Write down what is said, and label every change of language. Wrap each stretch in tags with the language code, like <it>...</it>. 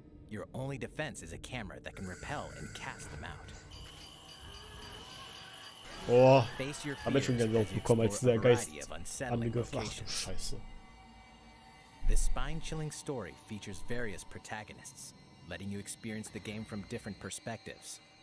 <en>Your only defense is a camera that can repel and cast them out.</en> <de>Oh, habe ich schon gerne drauf bekommen, als dieser Geist angegriffen. Ach du Scheiße.</de> <en>This spine-chilling story features various protagonists, letting you experience the game from different perspectives.</en>